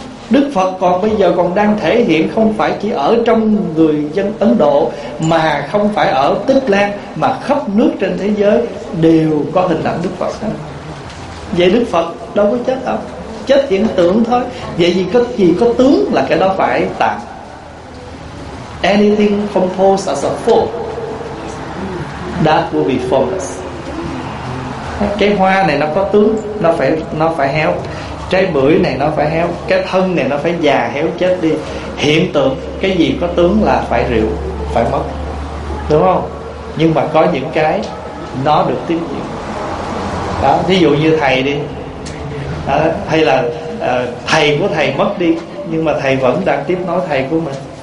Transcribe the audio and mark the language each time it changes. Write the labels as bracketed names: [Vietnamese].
[Vietnamese] Đức Phật còn bây giờ còn đang thể hiện, không phải chỉ ở trong người dân Ấn Độ, mà không phải ở Tích Lan, mà khắp nước trên thế giới đều có hình ảnh Đức Phật hết. Vậy Đức Phật đâu có chết đâu, chết hiện tượng thôi. Vậy vì có gì có tướng là cái đó phải tạm. [English] Anything composed as a form, that will be formless. [Vietnamese] Cái hoa này nó có tướng, nó phải héo. Trái bưởi này nó phải héo. Cái thân này nó phải già, héo, chết đi. Hiện tượng, cái gì có tướng là phải rượu, phải mất, đúng không? Nhưng mà có những cái nó được tiếp diễn. Đó, ví dụ như thầy đi đó, hay là thầy của thầy mất đi, nhưng mà thầy vẫn đang tiếp nối thầy của mình.